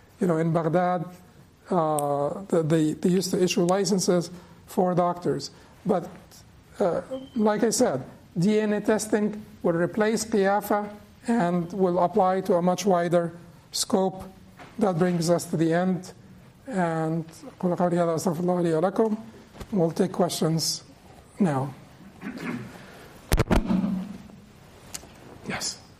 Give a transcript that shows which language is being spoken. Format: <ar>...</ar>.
<en>You know, in Baghdad, they used to issue licenses for doctors. But like I said, DNA testing will replace qiyafa and will apply to a much wider scope. That brings us to the end.</en> <ar>And قُلْ قَوْلِي هَذَا أَسْتَغْفِرُ اللَّهَ لِي وَلَكُمْ.</ar> <en>We'll take questions now. Yes.</en>